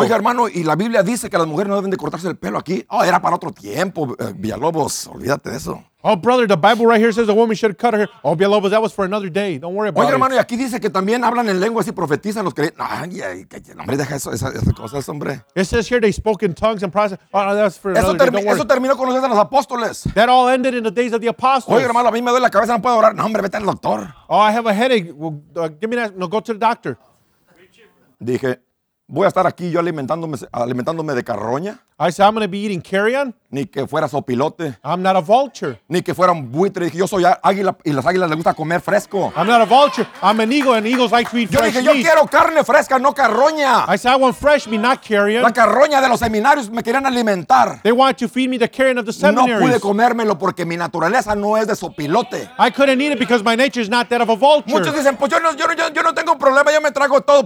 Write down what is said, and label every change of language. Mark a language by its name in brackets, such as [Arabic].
[Spanish] Oiga, hermano, y la Biblia dice que las mujeres no deben de cortarse el pelo aquí. Oh, era para otro tiempo, Villalobos. Olvídate de eso. [English] Oh, brother, the Bible right here says a woman should cut her hair. Oh, Villalobos, that was for another day. Don't worry about [Spanish] Oye, [English] it. [Spanish] Oye, hermano, y aquí dice que también hablan en lenguas y profetizan los creyentes. No, hombre, deja eso, esas cosas, hombre. [English] It says here they spoke in tongues and prophesied. Oh, no, that's for [Spanish] eso [English] another day. Don't worry. [Spanish] Eso terminó con los días de los apóstoles. [English] That all ended in the days of the apostles. [Spanish] Oye, hermano, a mí me duele la cabeza, no puedo orar. No, hombre, vete al doctor. [English] Oh, I have a headache. Well, give me that. No, go to the doctor. [Spanish] Dije, voy a estar aquí yo alimentándome de carroña. [English] I said, I'm going to be eating carrion. [Spanish] Ni que fuera sopilote. [English] I'm not a vulture. [Spanish] Ni que fuera un buitre. Dije, yo soy águila y las águilas les gusta comer fresco. [English] I'm not a vulture. I'm an eagle and eagles like to eat [Spanish] yo [English] fresh [Spanish] dije, [English] meat. [Spanish] Yo quiero carne fresca, no carroña. [English] I said, I want fresh meat, not carrion. [Spanish] La carroña de los seminarios me querían alimentar. [English] They wanted to feed me the carrion of the seminaries. [Spanish] No pude comérmelo porque mi naturaleza no es de sopilote. [English] I couldn't eat it because my nature is not that of a vulture. [Spanish] Muchos dicen, pues yo no tengo problema, yo me trago todo.